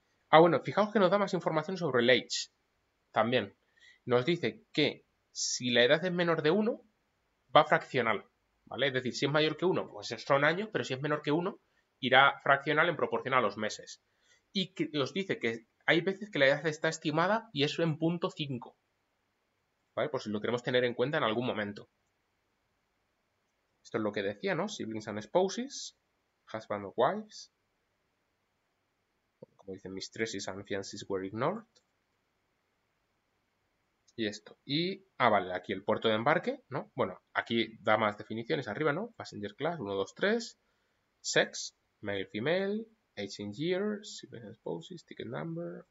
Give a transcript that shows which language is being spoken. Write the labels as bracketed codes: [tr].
[es] Ah, bueno, fijaos que nos da más información sobre el age. También nos dice que si la edad es menor de 1, va fraccional, ¿vale? Es decir, si es mayor que 1, pues son años, pero si es menor que 1, irá fraccional en proporción a los meses. Y que os dice que hay veces que la edad está estimada y es en punto 5, ¿vale? Por si lo queremos tener en cuenta en algún momento. Esto es lo que decía, ¿no? [en] Siblings and spouses, husband or wives. [es] Como dicen, [en] mistresses and fiancés were ignored. [es] Y esto. Y, ah, vale, aquí el puerto de embarque, ¿no? Bueno, aquí da más definiciones arriba, ¿no? [en] Passenger class, 1, 2, 3. Sex, male, female. 18 years, siblings and spouses, ticket number.